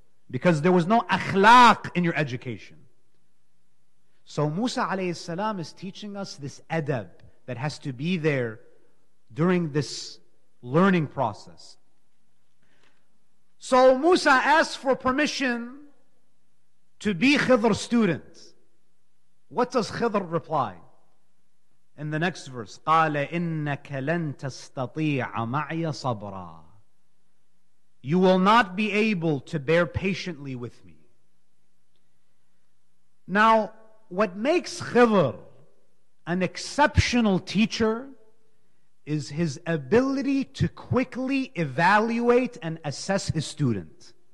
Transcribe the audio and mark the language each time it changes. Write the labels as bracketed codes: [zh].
[en] Because there was no akhlaq in your education. So Musa alayhi salam is teaching us this adab that has to be there during this learning process. So Musa asks for permission to be Khidr's student. What does Khidr reply? In the next verse, [ar] قَالَ إِنَّكَ لَن تَسْتَطِيعَ مَعْيَ صَبْرًا. [en] You will not be able to bear patiently with me. Now, what makes Khidr an exceptional teacher is his ability to quickly evaluate and assess his student.